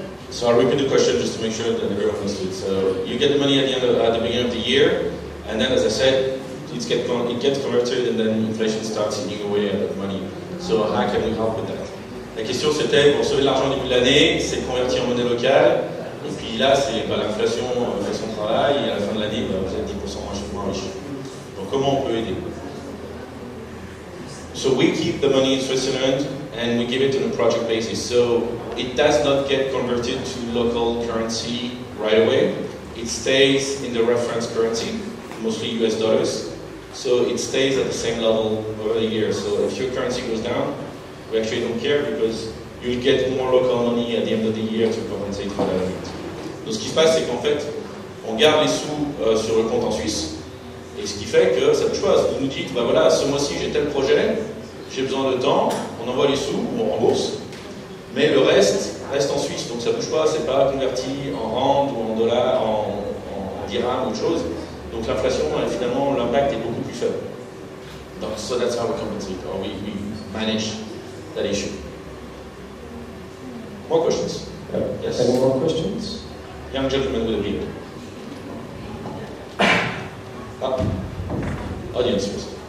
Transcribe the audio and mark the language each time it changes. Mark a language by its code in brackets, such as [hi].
[en] So I'll repeat the question just to make sure that everyone understood. So you get the money at the end of, at the beginning of the year, and then, as I said, it gets converted, and then inflation starts eating away at the money. So how can we help with that? [fr] La question c'était, vous recevez l'argent au début de l'année, c'est converti en monnaie locale, et puis là, c'est bah, l'inflation fait son travail, et à la fin de l'année, bah, vous êtes 10% moins chaque mois riche. Donc comment on peut aider? [en] So we keep the money in Switzerland, and we give it on a project basis. So it does not get converted to local currency right away. It stays in the reference currency, mostly US dollars. So it stays at the same level over the year. So if your currency goes down, we actually don't care because you'll get more local money at the end of the year to compensate for that. [fr] Donc ce qui se passe, c'est qu'en fait, on garde les sous sur le compte en Suisse. Et ce qui fait que cette chose, vous nous dites, bah voilà, ce mois-ci j'ai tel projet, j'ai besoin de temps, on envoie les sous, on rembourse. Mais le reste reste en Suisse, donc ça ne bouge pas, ce n'est pas converti en rand ou en dollars, en dirham ou autre chose. Donc l'inflation, finalement, l'impact est beaucoup plus faible. [en] Donc so that's how we compensate, or we manage that issue. More questions? Yes. Any more questions? Young gentleman with a beard. Audience, please.